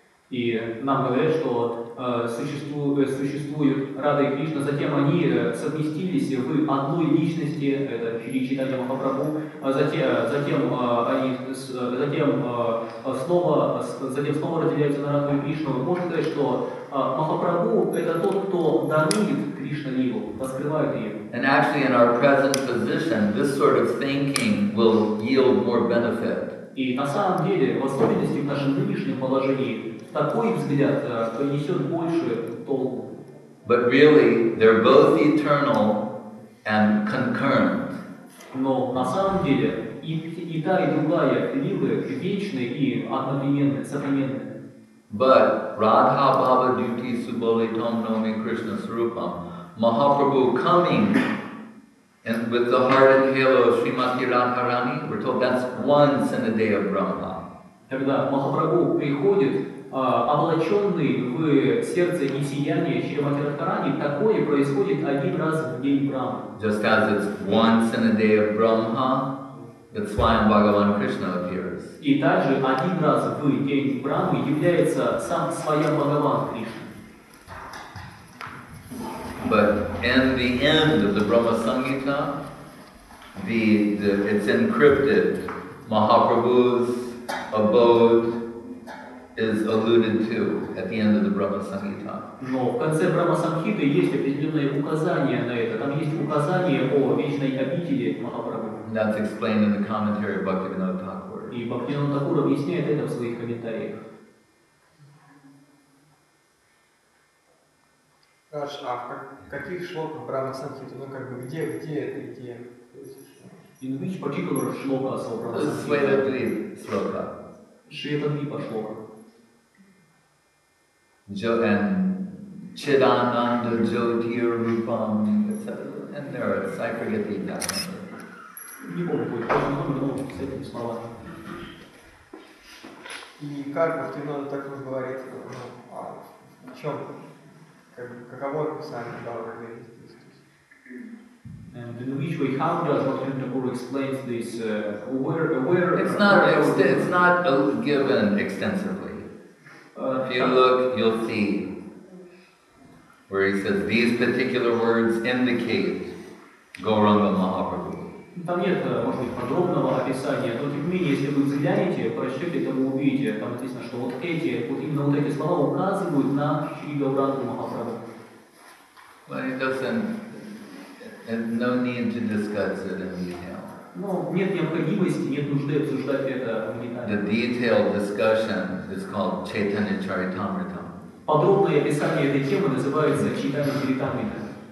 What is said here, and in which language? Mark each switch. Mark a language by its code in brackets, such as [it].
[ru] И нам говорят, что существуют Рада и Кришна, затем они совместились в одной личности, это Шри Чайтанья Махапрабху, затем снова разделяются на Раду и Кришну. Вы можете сказать, что Махапрабху это тот, кто дарует Кришна Лилу, раскрывает ее. [en] And actually in our present position, this sort of thinking will yield more benefit. [ru] И на самом деле, в особенности в нашем нынешнем положении, такой взгляд принесет больше толку. [en] But really, they're both eternal and concurrent. [ru] Но на самом деле и та, и другая лилы вечны и одновременны, современны. [sa] But Radha Bhava Duti Subalitam Nomi Krishna Srupam. [en] Mahaprabhu coming and with the heart and halo of Srimati Radharani, we're told that's once in the day of Brahma. [ru] Когда Махапрабху приходит, облаченный в сердце и сияние Шримати Радхарани, такое происходит один раз в день Брахмы. [en] Just as it's once in a day of Brahma, that Swayam Bhagavan Krishna appears. [ru] И также один раз в день Брахмы является сам Свайам Бхагаван Кришна. [en] But in the end of the Brahma Sangita, it's encrypted. Mahaprabhu's abode is alluded to at the end of the Brahma Sangita. [ru] Но в конце Брахма Сангхиты есть определенное указание на это. Там есть указание о вечной обители Махапрабху. [en] That's explained in the commentary of Bhaktivinoda Thakur. [ru] И Бхактивинода Такур объясняет это в своих комментариях. Хорошо, а в каких шлоках Брахма Сангхиты? Ну как бы где это идея? [en] In which particular шлока of Брахма [ru] Сангхиты? Шветадви шлока. Шветадви шлока. [en] And [sa] Chidananda Jyotir Rupam, [en] etc. And there it is. I forget the exact number. [ru] И как Бхактивинода Такур говорит, о чем? Каково описание Гаура Вейди? [en] And in which way, how does Bhaktivinoda Thakur explain this? Where it's not given extensively. If you look, you'll see where he says these particular words indicate Gauranga Mahaprabhu. [ru] Там нет, может быть, подробного описания, но тем не менее, если вы взглянете, прочтете, то вы увидите, там написано, что вот эти слова указывают на Шри Гауранга Махапрабху. [en] Well, it doesn't, and no need to discuss it in detail. [ru] Но нет необходимости, нет нужды обсуждать это в деталях. [en] The detailed discussion is called Chaitanya Charitamrita. [ru] Подробное описание этой темы называется Чайтанья Чаритамрита.